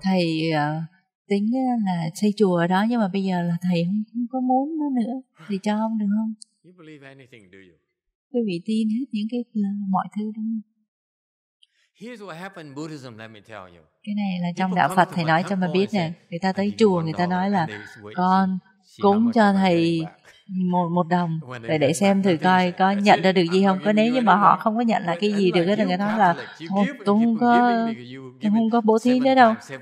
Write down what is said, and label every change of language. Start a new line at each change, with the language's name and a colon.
Vietnamese: Thầy tính là xây chùa đó nhưng mà bây giờ là thầy không có muốn nó nữa. Thì cho ông được không?
English: You believe anything, do you?
Vietnamese: Quý vị tin hết những cái mọi thứ đúng không?
English: Here's what happened in Buddhism, let me tell you.
Vietnamese: Cái này là trong đạo Phật, thầy nói cho mà biết nè. Người ta tới chùa, người ta nói là con cúng cho thầy một đồng để xem thử coi có nhận ra được gì không. Có nếu như mà họ không có nhận lại cái gì được thì người ta nói là thôi, tôi không có bố thí nữa đâu.